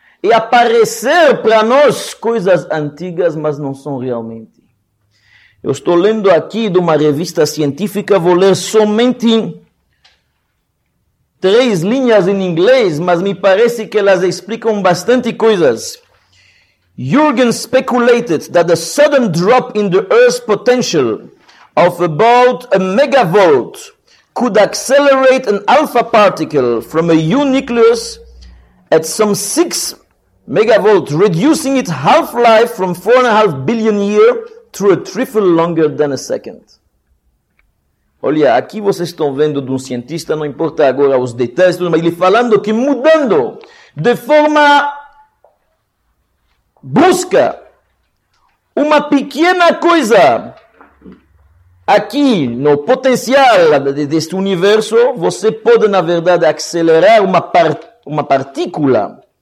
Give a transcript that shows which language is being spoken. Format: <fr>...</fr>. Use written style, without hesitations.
<pt>E aparecer para nós coisas antigas, mas não são realmente. Eu estou lendo aqui de uma revista científica, vou ler somente 3 linhas em inglês, mas me parece que elas explicam bastante coisas.</pt> <en>Jürgen speculated that a sudden drop in the Earth's potential of about a megavolt could accelerate an alpha particle from a U nucleus at some 6 megavolts, reducing its half-life from 4.5 billion years to a trifle longer than a second.</en> <pt>Olha, aqui vocês estão vendo de um cientista, não importa agora os detalhes, mas ele falando que mudando de forma brusca uma pequena coisa aqui no potencial deste universo, você pode, na verdade, acelerar uma partícula.</pt>